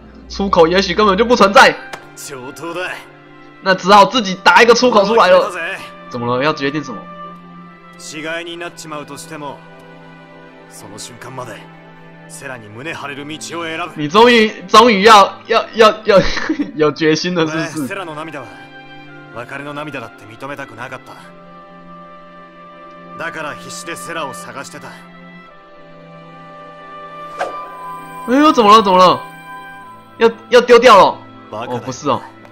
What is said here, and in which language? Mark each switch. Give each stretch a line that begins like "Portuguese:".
Chinese: 出口也许根本就不存在。
Japanese: 上等だ。
Chinese: 那只好自己打一个出口出来了。怎么了？要决定什么？
Japanese: 死骸になっちまうとしても、その瞬間までセラに胸張れる道を選ぶ。
Chinese: 你终于要有决心了，是不是？
Japanese: セラの涙は別れの涙だって認めたくなかった。だから必死でセラを探してた。
Chinese: 哎呦，怎么了？怎么了？要丢掉了？哦，不是哦。